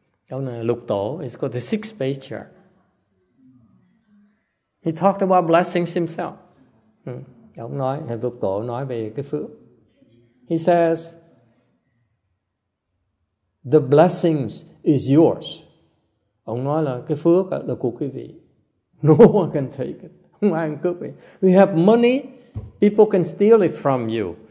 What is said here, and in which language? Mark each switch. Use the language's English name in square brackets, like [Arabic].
[Vietnamese] Ông là lục tổ, [English] it's called the sixth patriarch. He talked about blessings himself. [Vietnamese] Ông nói, lục tổ nói về cái phước. [English] He says, the blessings is yours. [Vietnamese] Ông nói là cái phước là của quý vị. [English] No one can take it. We have money, people can steal it from you.